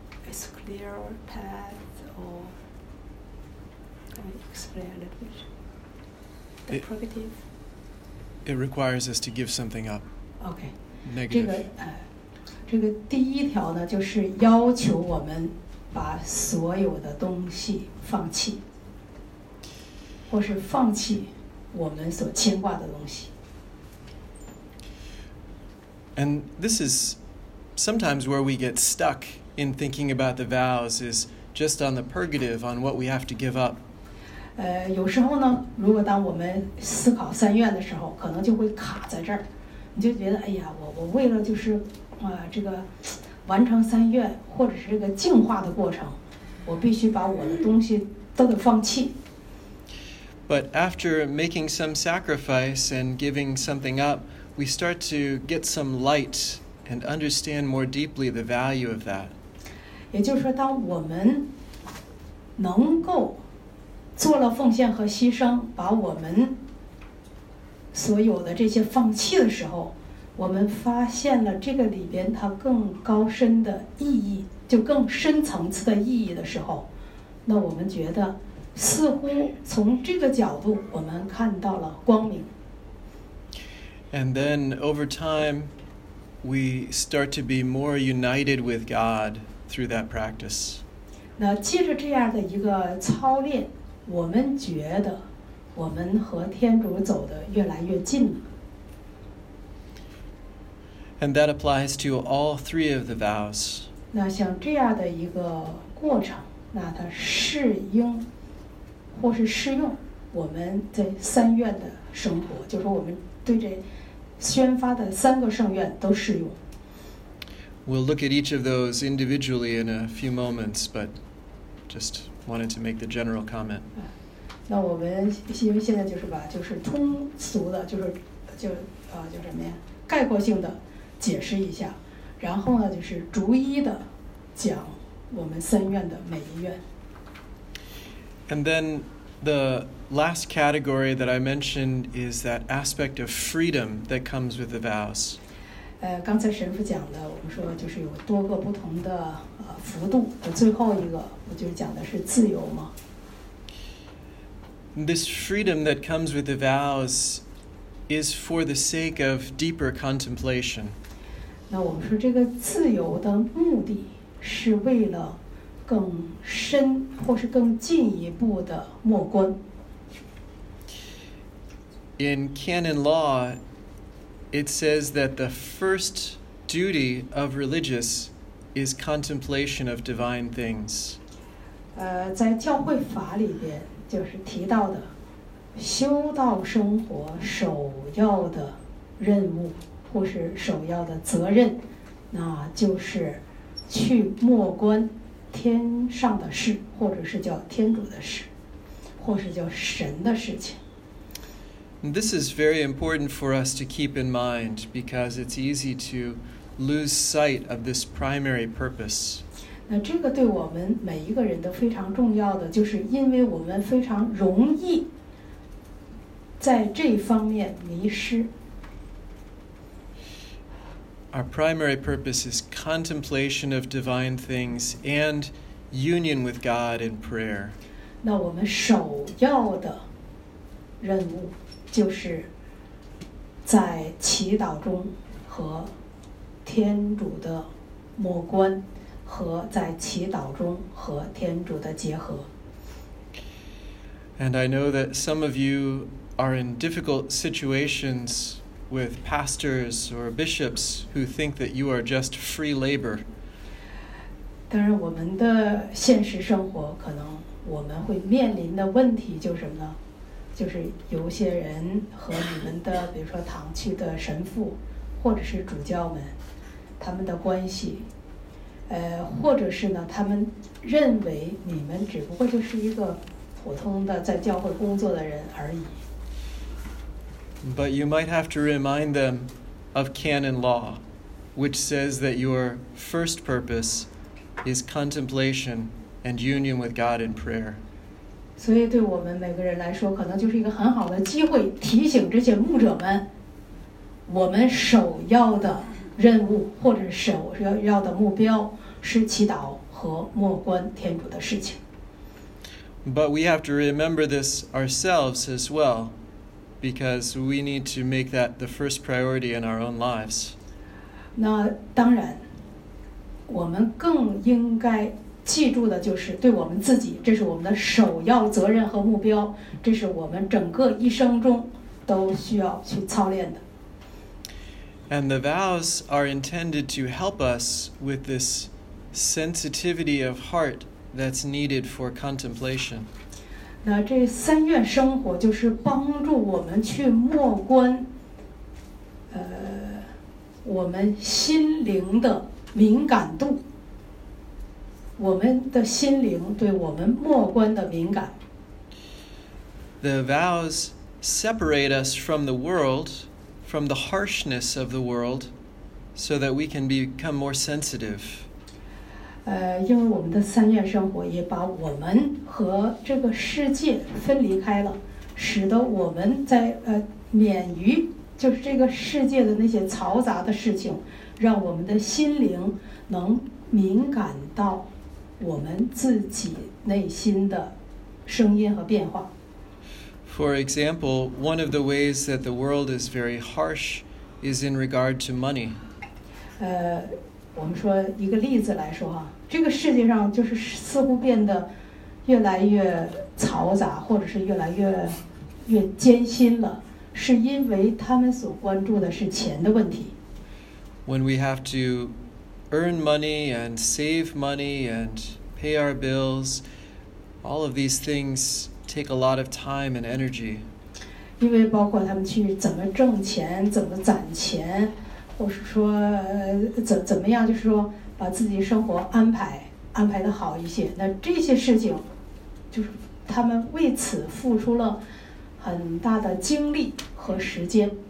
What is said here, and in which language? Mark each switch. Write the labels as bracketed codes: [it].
[en] It's a clear path or explain a little bit the Progative It requires us to give something up OK Negative [zh] 这个第一条呢就是要求我们把所有的东西放弃或是放弃我们所牵挂的东西 [en] And this is sometimes where we get stuck in thinking about the vows is just on the purgative on what we have to give up [zh] 有时候呢如果当我们思考三愿的时候可能就会卡在这儿你就觉得哎呀我为了就是这个完成三愿或者是这个净化的过程我必须把我的东西都得放弃 [en] But after making some sacrifice and giving something up, we start to get some light and understand more deeply the value of that. [zh] 也就是说，当我们能够做了奉献和牺牲，把我们所有的这些放弃的时候，我们发现了这个里边它更高深的意义，就更深层次的意义的时候，那我们觉得。似乎从这个角度我们看到了光明 [en] And then over time we start to be more united with God through that practice [zh] 那借着这样的一个操练我们觉得我们和天主走得越来越近了 [en] And that applies to all three of the vows [zh] 那像这样的一个过程那它适应或是适用我们在三愿的生活就是我们对这宣发的三个圣愿都适用 [en] We'll look at each of those individually in a few moments but just wanted to make the general comment [zh] 那我们因为现在就是吧就是通俗的就是就就什么呀概括性的解释一下然后呢就是逐一的讲我们三愿的每一愿 [en] And then the last category that I mentioned is that aspect of freedom that comes with the vows. [zh] 刚才神父讲的，我们说就是有多个不同的幅度。最后一个，我就讲的是自由嘛。 [en] This freedom that comes with the vows is for the sake of deeper contemplation. [zh] 那我们说这个自由的目的是为了更深或是更进一步的默观。 [en] In canon law, it says that the first duty of religious is contemplation of divine things. [zh] 在教会法里边就是提到的修道生活首要的任务或是首要的责任，那就是去默观天上的事，或者是叫天主的事，或是叫神的事情。 [en] And this is very important for us to keep in mind because it's easy to lose sight of this primary purpose. [zh] 那这个对我们每一个人都非常重要的，就是因为我们非常容易在这方面迷失。 [en] Our primary purpose is contemplation of divine things and union with God in prayer. [zh] 那我们首要的任务就是在祈祷中和天主的默观，和在祈祷中和天主的结合。 [en] And I know that some of you are in difficult situations with pastors or bishops who think that you are just free labor. [zh] 当然我们的现实生活可能我们会面临的问题就是什么呢？就是有些人和你们的比如说堂区的神父或者是主教们他们的关系或者是呢他们认为你们只不过就是一个普通的在教会工作的人而已。 [en] But you might have to remind them of canon law, which says that your first purpose is contemplation and union with God in prayer. [zh] 所以对我们每个人来说可能就是一个很好的机会提醒这些牧者们我们首要的任务或者首要的目标是祈祷和默观天主的事情。 [en] But we have to remember this ourselves as well. Because we need to make that the first priority in our own lives. [zh] 那当然，我们更应该记住的就是对我们自己，这是我们的首要责任和目标，这是我们整个一生中都需要去操练的。 [en] And the vows are intended to help us with this sensitivity of heart that's needed for contemplation. [zh] 那这三愿生活就是帮助我们去默观我们心灵的敏感度我们的心灵对我们默观的敏感 [en] The vows separate us from the world from the harshness of the world so that we can become more sensitive [zh] 因为我们的三愿生活也把我们和这个世界分离开了，使得我们在免于就是这个世界的那些嘈杂的事情，让我们的心灵能敏感到我们自己内心的声音和变化。 [en] For example, one of the ways that the world is very harsh is in regard to money. [zh] 我们说一个例子来说啊。这个世界上就是似乎变得越来越嘈杂或者是越来越艰辛了是因为他们所关注的是钱的问题 [en] When we have to earn money and save money and pay our bills all of these things take a lot of time and energy [zh] 因为包括他们去怎么挣钱怎么攒钱或是说怎么样就是说把自己生活安排的好一些那这些事情就是他们为此付出了很大的精力和时间